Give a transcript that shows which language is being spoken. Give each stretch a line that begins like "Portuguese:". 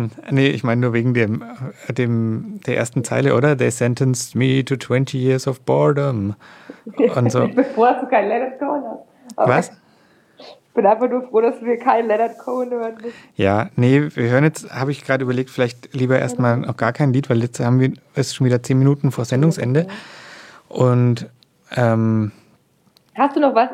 German: Nee, ich meine nur wegen der ersten Zeile, oder?
English: They sentenced me to 20 years of boredom.
German: Und so. Bevor du kein Leonard Cohen hast. Okay. Was? Ich bin einfach nur froh, dass wir keinen Leonard Cohen hören müssen. Ja, nee, wir hören jetzt, habe ich gerade überlegt, vielleicht lieber erstmal noch gar kein Lied, weil jetzt ist schon wieder 10 Minuten vor Sendungsende. Und hast du noch was?